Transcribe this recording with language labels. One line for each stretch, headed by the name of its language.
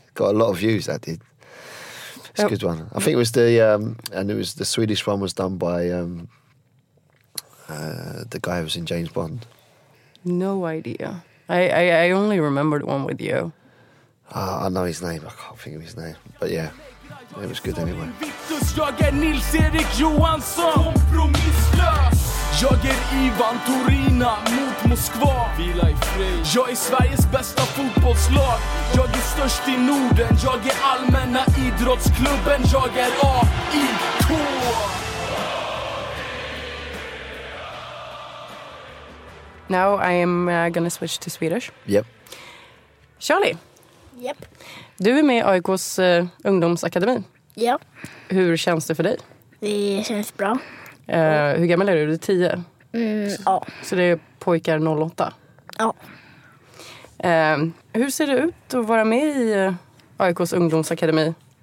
English: Got a lot of views, that did. It's a good one. I think it was the Swedish one was done by the guy who was in James Bond. No idea. I only remembered one with you. I know his name. I can't think of his name. But yeah. It was good anyway.
Swedish: Jag är Nils-Erik Johansson. Kompromisslös. Jag är Ivan Torina mot Moskva. Vila i fred. Jag är Sveriges bästa fotbollslag. Jag är störst i Norden. Jag är allmänna idrottsklubben. Jag är AIK.
English: Now I am gonna switch to Swedish. Yep. Charlie. Yep.
Swedish: Du är med i AIKs ungdomsakademi. Ja. Hur känns det för dig? Det känns bra. Hur gammal är du? Du är 10? Ja. Så det är pojkar 08? Ja. Hur ser det ut att vara med i AIKs ungdomsakademi?